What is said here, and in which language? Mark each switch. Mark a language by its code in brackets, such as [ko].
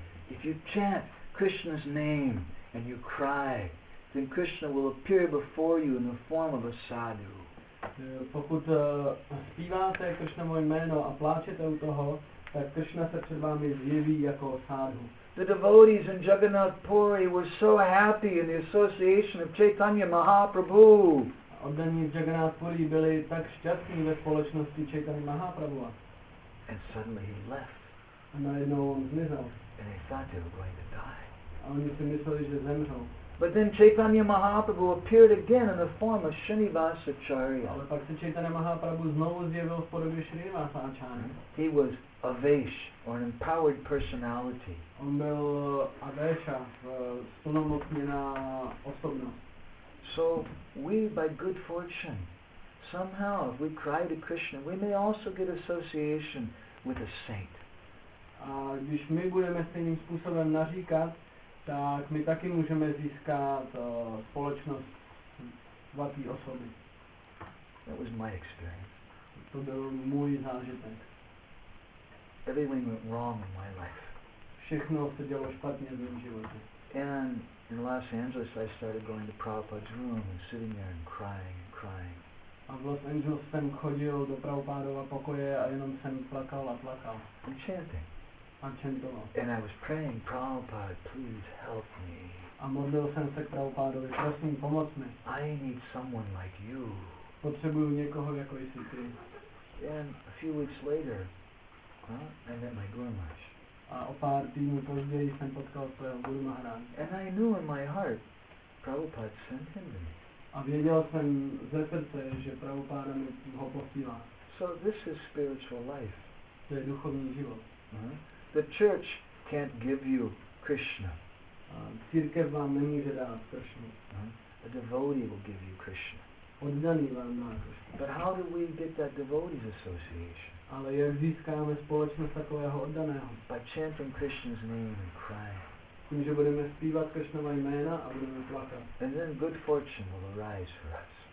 [en] If you chant Krishna's name and you cry, then Krishna will appear before you in the form of a sadhu. [cs] Pokud zpíváte Krishnovo jméno a pláčete u toho, tak Krishna se před vámi zjeví jako sadhu. [en] The devotees in Jagannath Puri were so happy in the association of Chaitanya Mahaprabhu. [cs] Oddaní v Jagannath Puri byli tak šťastní ve společnosti Chaitany Mahaprabhuva. [en] And suddenly he left. [cs] A najednou on zmizel. [en] And they thought they were going to die. [cs] A oni si mysleli, že zemřou. [en] But then Chaitanya Mahaprabhu appeared again in the form of Srinivasacharya. [cs] Ale pak se Chaitanya Mahaprabhu znovu zjevil v podobě Srinivasacharya. [en] He was Avesh, or an empowered personality. [cs] On byl Avesha, splnomocněná osobnost. [en] So we, by good fortune, somehow, if we cry to Krishna, we may also get association with a saint. [cs] A když my budeme stejným způsobem naříkat, tak my taky můžeme získat společnost svatý osoby. [en] That was my experience. [cs] To byl můj zážitek. [en] Everything went wrong in my life. [cs] Všechno se dělo špatně v mém životě. [en] In Los Angeles, I started going to Prabhupada's room and sitting there and crying and crying. [cs] A v Los Angeles jsem chodil do Prabhupádova pokoje a jenom jsem plakal a plakal. [en] And chanting. [cs] A chantoval. [en] And I was praying, Prabhupada, please help me. [cs] A modlil jsem se k Prabhupádovi, prosím, pomoc mi. [en] I need someone like you. [cs] Potřebuju někoho jako jsi ty. [en] And a few weeks later, I met my Guru Maharaj. [cs] A o pár týdnů později jsem potkal svého Guru Maharaj. [en] And I knew in my heart, Prabhupada sent him to me. [cs] A věděl jsem ze srdce, že Prabhupada mi ho posílá. [en] So this is spiritual life. [cs] To je duchovní život. [en] The church can't give you Krishna. [cs] Církev vám nemůže dát Krishnu. [en] A devotee will give you Krishna. [cs] Oddaný vám má Krishna. [en] But how do we get that devotee's association? [cs] Ale jak získáme společnost takového oddaného? [en] By chanting Krishna's name and crying. [cs] Tím, že budeme zpívat Krishnova jména a budeme plakat. [en] And then good fortune will arise for us.